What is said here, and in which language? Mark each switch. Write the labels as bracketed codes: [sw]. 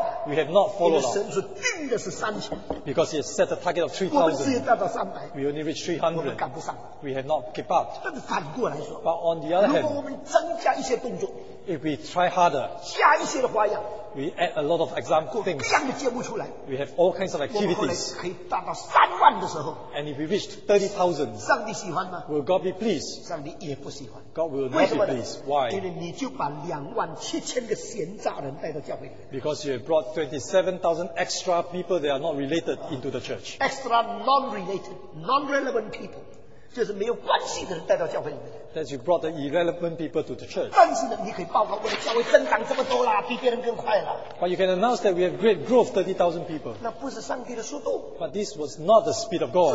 [en] we have not followed up. [zh] 因为神所定的是3000, [en] because he has set the target of 3,000. We only reached 300. We have not kept up. [zh] 但是反过来说, [en] but on the other hand, if we try harder, [zh] 加一些的花样, [en] we add a lot of example things. [zh] 各样的节目出来, [en] we have all kinds of activities. [zh] 我们可以达到3万的时候, [en] and if we reach 30,000, will God be pleased? [zh] 上帝也不喜欢, [en] God will not [zh] 为什么呢? [en] Be pleased. Why? [zh] 因为你就把27,000个闲杂人带到教会里面, [en] because you have brought 27,000 extra people that are not related into the church. Extra non-related, non-relevant people. [zh] 就是没有关系的人带到教会里面, [en] that you brought the irrelevant people to the church. [zh] 但是呢,你可以报告我的教会增长这么多啦, [en] but you can announce that we have great growth, 30,000 people. [zh] 那不是上帝的速度, [en] but this was not the speed of God.